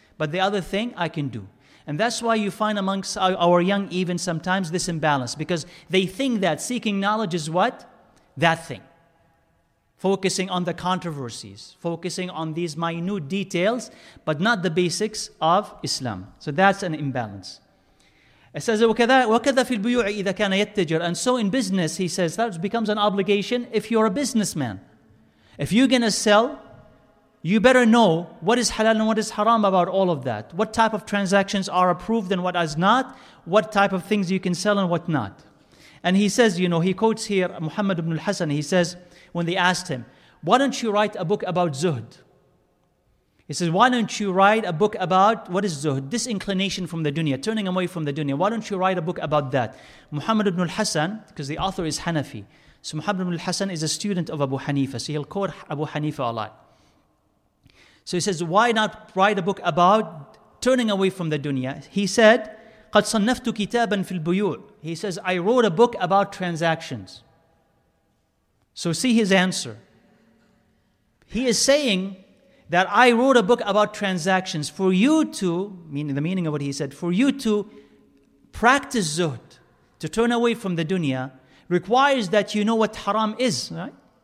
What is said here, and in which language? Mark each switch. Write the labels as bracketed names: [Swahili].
[English] But the other thing I can do. And that's why you find amongst our young even sometimes this imbalance, because they think that seeking knowledge is what? That thing. Focusing on the controversies, focusing on these minute details, but not the basics of Islam. So that's an imbalance. It says, [Arabic] وَكَذَا فِي الْبُيُوعِ إِذَا كَانَ يَتَّجِرُ. [English] And so in business, he says, that becomes an obligation if you're a businessman. If you're going to sell, you better know what is halal and what is haram about all of that. What type of transactions are approved and what is not. What type of things you can sell and what not. And he says, you know, he quotes here Muhammad ibn al-Hasan, he says, when they asked him, why don't you write a book about zuhd? He says, why don't you write a book about what is zuhd? Disinclination from the dunya, turning away from the dunya. Why don't you write a book about that? Muhammad ibn al-Hasan, because the author is Hanafi. So Muhammad ibn al-Hasan is a student of Abu Hanifa. So he'll quote Abu Hanifa a lot. So he says, why not write a book about turning away from the dunya? He said, [Arabic] قَدْ صَنَّفْتُ كِتَابًا فِي الْبُيُوعِ. [English] He says, I wrote a book about transactions. So see his answer. He is saying that I wrote a book about transactions for you to, meaning the meaning of what he said, for you to practice zuhd, to turn away from the dunya, requires that you know what haram is, right?